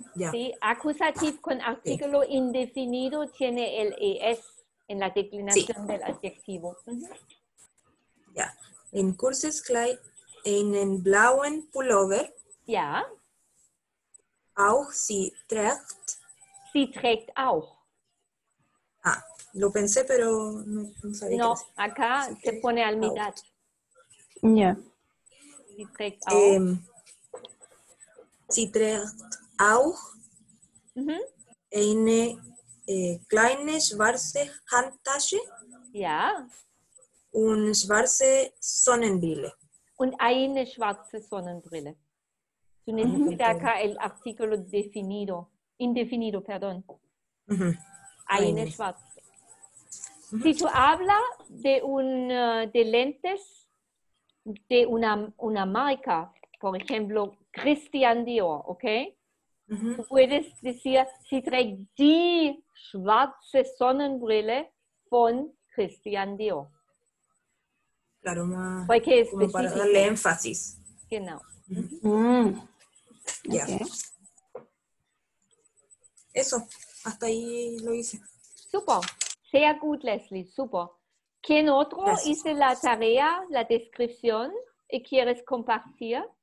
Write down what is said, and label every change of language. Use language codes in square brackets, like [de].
[es] Sí, acusativo con artículo indefinido tiene el es en la declinación del adjetivo. [de] Ja, ein kurzes Kleid, einen blauen Pullover. Ja. Auch sie trägt. Sie trägt auch. [es] Ah, lo pensé, pero no sabía. No, acá se pone al mitad. [de] Ja. Sie trägt auch. Sie trägt auch eine kleine schwarze Handtasche. Ja. Und schwarze Sonnenbrille. Und eine schwarze Sonnenbrille. Du nennst wieder [es] acá el artículo definido. Indefinido, perdón. [de] Eine schwarze. [es] Si tú hablas de lentes de una marca, por ejemplo, Christian Dior, okay? [de] Mm-hmm. Du würdest dir, sie trägt die schwarze Sonnenbrille von Christian Dior. [es] Claro, más como específico. Para darle énfasis. [de] Genau. Mm-hmm. Mm-hmm. [en] Yeah. Okay. [es] Eso, hasta ahí lo hice. [de] Super, sehr gut, Leslie, super. [es] ¿Quién otro hizo la tarea, la descripción y quieres compartir?